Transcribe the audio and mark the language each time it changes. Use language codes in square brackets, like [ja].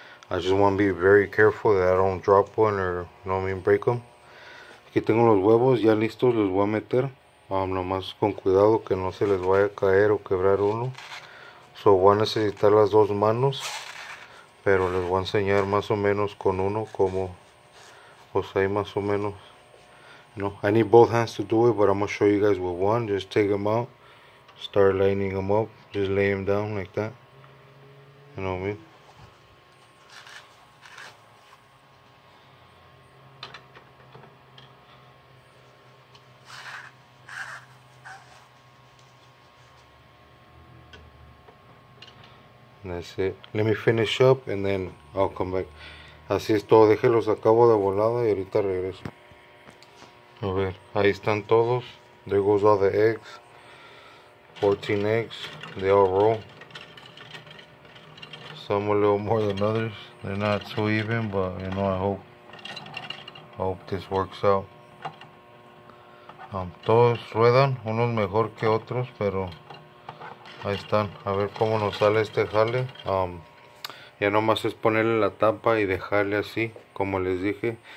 [en] I just want to be very careful that I don't drop one or, you know what I mean, break them. [es] Aquí tengo los huevos ya listos, los voy a meter. Nomás con cuidado que no se les vaya a caer o quebrar uno. So voy a necesitar las dos manos, pero les voy a enseñar más o menos con uno como, pues ahí más o menos. [en] No, I need both hands to do it, but I'm gonna show you guys with one. Just take them out, start lining them up, just lay them down like that. You know what I mean? That's it. Let me finish up and then I'll come back. [es] Así es todo, déjelos, acabo de volada y ahorita regreso. A ver, ahí están todos. [en] There goes all the eggs. 14 eggs, they all roll. Some a little more than others. They're not too even, but you know, I hope this works out. [es] Todos ruedan, unos mejor que otros, pero ahí están, a ver cómo nos sale este jale. Ya nomás es ponerle la tapa y dejarle así, como les dije.